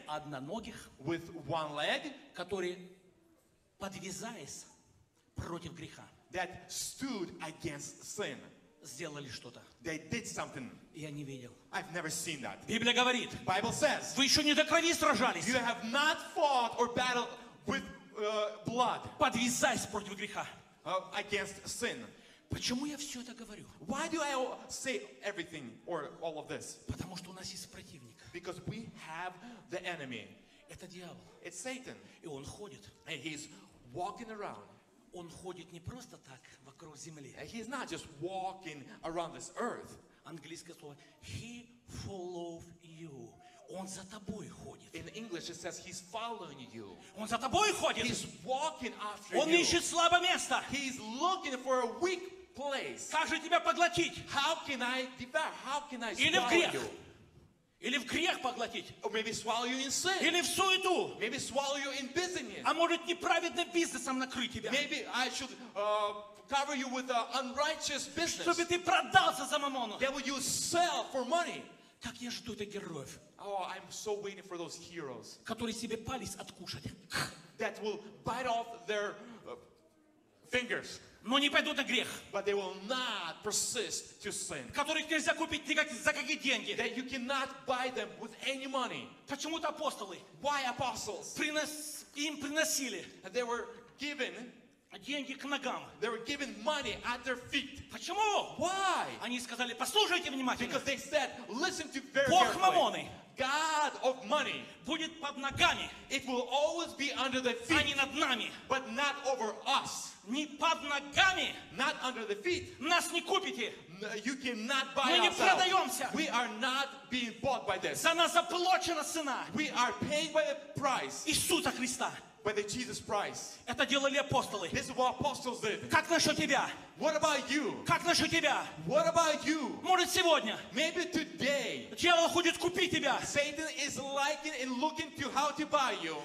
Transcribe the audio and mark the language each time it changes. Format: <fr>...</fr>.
<ru>одноногих,</ru> <en>with one leg,</en> <ru>который подвязаясь против греха,</ru> <en>that stood against sin.</en> <ru>Сделали что-то.</ru> <en>They did something.</en> <ru>Я не видел.</ru> <en>I've never seen that.</en> <ru>Библия говорит.</ru> <en>Bible says.</en> <ru>Вы еще не до крови сражались.</ru> <en>You have not fought or battled with blood.</en> <ru>Подвязаясь против греха.</ru> <en>Against sin.</en> <ru>Почему я все это говорю?</ru> <en>Why do I say everything or all of this?</en> <ru>Потому что у нас есть противник.</ru> <en>Because we have the enemy.</en> <ru>Это дьявол.</ru> <en>It's Satan.</en> <ru>И он ходит.</ru> <en>And he's walking around.</en> <ru>Он ходит не просто так вокруг земли.</ru> <en>He's not just walking around this earth.</en> <ru>Английское слово</ru> <en>he follows you.</en> <ru>Он за тобой ходит.</ru> <en>In English it says he's following you.</en> <ru>Он за тобой ходит.</ru> <en>He's walking after</en> <ru>он</ru> <en>you.</en> <ru>Он ищет слабое место.</ru> <en>He's looking for a weak place.</en> <ru>Как же тебя поглотить?</ru> <en>How can I devour? How can I swallow</en> <ru>или в грех.</ru> <en>You?</en> <ru>Или в грех поглотить?</ru> <en>Or maybe swallow you in sin.</en> <ru>Или в суету?</ru> <en>Maybe swallow you in business.</en> <ru>А может неправедным бизнесом накрыть тебя?</ru> <en>Maybe I should cover you with an unrighteous business.</en> <ru>Чтобы ты продался за мамону.</ru> <en>That would you sell for money?</en> <ru>Как я жду этих героев.</ru> <en>Oh, I'm so waiting for those heroes.</en> <ru>Которые себе палец откушать.</ru> <en>That will bite off their fingers.</en> <ru>Но не пойдут на грех.</ru> <en>But they will not persist to sin.</en> <ru>Которых нельзя купить никак, за какие деньги.</ru> <en>That you cannot buy them with any money.</en> <ru>Почему-то апостолы.</ru> <en>Why apostles?</en> <ru>Им приносили.</ru> <en>They were given.</en> <ru>Деньги к ногам.</ru> <en>They were given money at their feet.</en> <ru>Почему?</ru> <en>Why?</en> <ru>Они сказали, послушайте внимательно.</ru> <en>Because they said, listen to very</en> <ru>Бог мамоны.</ru> <en>God of money.</en> <ru>Будет под ногами.</ru> <en>It will always be under the feet.</en> <ru>А не над нами.</ru> <en>But not over us.</en> <ru>Не под ногами.</ru> <en>Not under the feet.</en> <ru>Нас не купите.</ru> <en>You cannot buy ourselves.</en> <ru>Мы не продаемся.</ru> <en>We are not being bought by this.</en> <ru>За нас оплачена цена.</ru> <en>We are paid by the price.</en> <ru>Иисуса Христа.</ru> <en>By the Jesus Christ.</en> <ru>Это делали апостолы.</ru> <en>This is what apostles did.</en> <ru>Как насчет тебя?</ru> <en>What about you?</en> <ru>Как насчет тебя?</ru> <en>What about you?</en> <ru>Может сегодня?</ru> <en>Maybe today.</en> <ru>Дьявол ходит купить тебя.</ru> <en>Satan is liking and looking to how to buy you.</en>